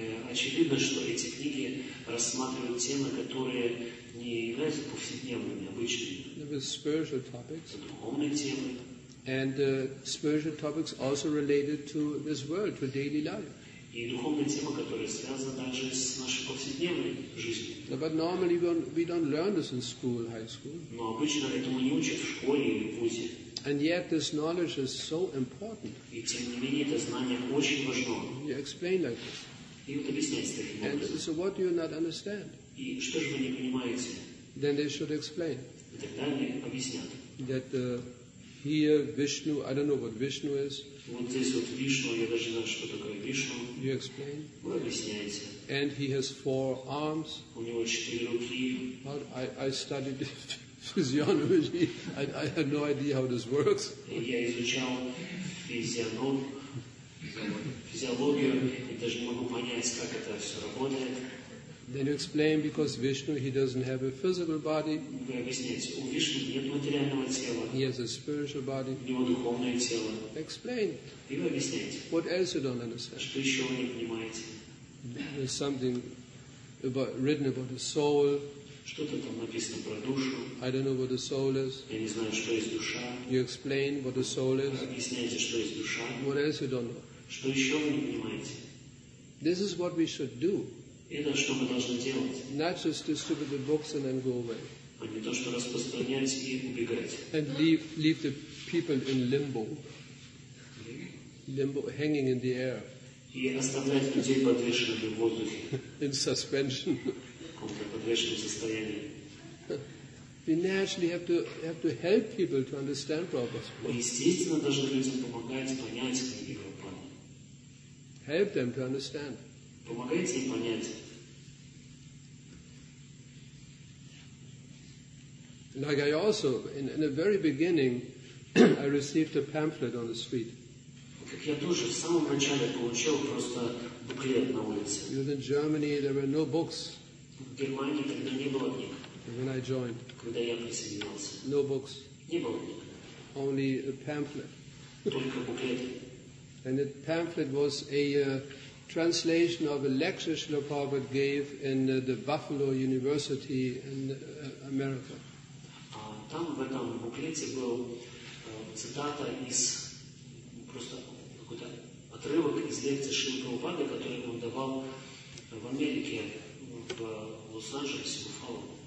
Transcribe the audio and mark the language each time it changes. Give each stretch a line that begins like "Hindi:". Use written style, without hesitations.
Russian: Очевидно, что эти книги рассматривают темы, которые не являются повседневными, обычными.
English: With spiritual topics.
Russian: Духовные темы.
English: And spiritual topics also related to this world, to daily life.
Russian: И духовные темы, которые связаны также с нашей повседневной жизнью.
English: But normally we don't learn this in school, high school.
Russian: Но обычно этому не учат в школе или в вузе.
English: And yet this knowledge is so important.
Russian: И тем не менее это знание очень важно.
English: You explain like this.
Russian: И вот объясняйте таким образом.
English: And so what do you not understand?
Russian: И что же вы не понимаете?
English: Then they should explain.
Russian: Тогда они объяснят.
English: That here Vishnu, I don't know what Vishnu is.
Russian: Вот здесь вот Вишну, я даже знаю, что такое Вишну.
English: You explain.
Russian: Вы объясняете.
English: And he has four arms.
Russian: У него четыре руки.
English: But I studied physiology. I had no idea how this works.
Russian: Я изучал физиологию. Я даже не могу понять, как это все работает.
English: Then you explain, because Vishnu, he doesn't have a physical body.
Russian: Вы объясняете, у Вишну нет материального тела.
English: He has a spiritual body.
Russian: У него духовное тело.
English: Explain.
Russian: И вы объясняете.
English: What else you don't understand?
Russian: Что еще вы не понимаете?
English: There's something about, written about the soul.
Russian: Что-то там написано про душу.
English: I don't know what the soul is.
Russian: Я не знаю, что есть душа.
English: You explain what the soul is.
Russian: Вы объясняете, что есть душа.
English: What else you don't know?
Russian: Что еще вы не понимаете?
English: This is what we should do.
Russian: Это что мы должны делать?
English: Not just distribute the books and then go away.
Russian: А не то, что распространять и убегать.
English: And leave the people in limbo. Limbo, hanging in the air.
Russian: И оставлять людей подвешенными в воздухе.
English: In suspension.
Russian: В каком-то подвешенном состоянии.
English: We naturally have to help people to understand Prabhupada's
Russian: book. Мы естественно должны людям помогать понять книги
English: Прабхупады. Help them to understand.
Russian: Помогайте им понять.
English: Like I also, in the very beginning, I received a pamphlet on the street.
Russian: Как я тоже в самом начале получил просто буклет на улице.
English: Because in Germany there were no books.
Russian: В Германии тогда не было книг.
English: When I joined.
Russian: Когда я присоединился.
English: No books.
Russian: Не было книг.
English: Only a pamphlet.
Russian: Только буклет.
English: And the pamphlet was a translation of a lecture Srila Prabhupada gave in the Buffalo University in America.
Russian: Там в этом буклете был цитата из просто какой-то отрывок из лекции Шрилы Прабхупады, который он давал в Америке, в Лос-Анджелесе, в Буффало.